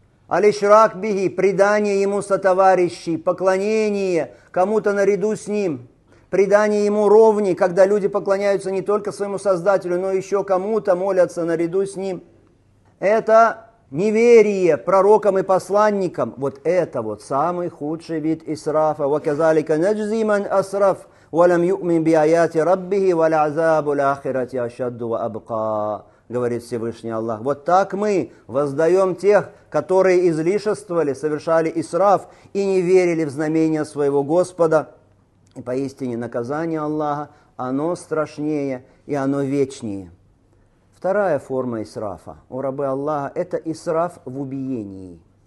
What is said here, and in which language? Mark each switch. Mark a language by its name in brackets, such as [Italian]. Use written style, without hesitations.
[Russian] «Аль-ишрак бихи» – предание Ему сотоварищей, поклонение кому-то наряду с Ним, предание Ему ровни, когда люди поклоняются не только своему Создателю, но еще кому-то молятся наряду с Ним. Это неверие пророкам и посланникам, вот это вот самый худший вид исрафа. [Arabic] وَكَذَلِكَ نَجْزِيمًا أَسْرَفْ وَلَمْ يُؤْمِنْ بِآيَاتِ رَبِّهِ وَلَعْزَابُ الْآخِرَةِ أَشَدُّ وَأَبْقَى, [Russian] говорит Всевышний Аллах. Вот так мы воздаем тех, которые излишествовали, совершали исраф и не верили в знамения своего Господа. И поистине наказание Аллаха, оно страшнее и оно вечнее. Вторая форма исрафа у рабы Аллаха – это исраф в убиении.